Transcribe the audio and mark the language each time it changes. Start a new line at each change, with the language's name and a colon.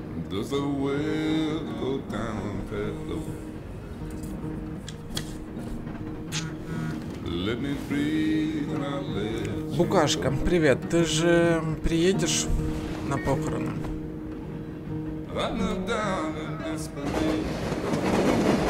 English: Does the well go down that low? Let me breathe and I'll let you go.
Russian: Букашка, привет, ты же приедешь на похороны?
English: I'm not down in disbelief.